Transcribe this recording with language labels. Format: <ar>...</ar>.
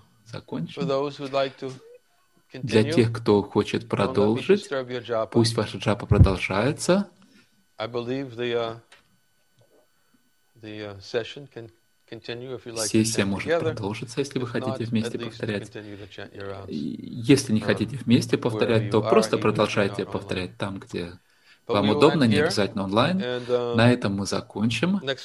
<ru>Для тех, кто хочет продолжить, пусть ваша джапа продолжается.</ru> <en>I believe the session can continue if you like.</en> <ru>Сессия может продолжиться, если вы хотите вместе повторять. Если не хотите вместе повторять, то просто продолжайте повторять там, где вам удобно, не обязательно онлайн. На этом мы закончим.</ru>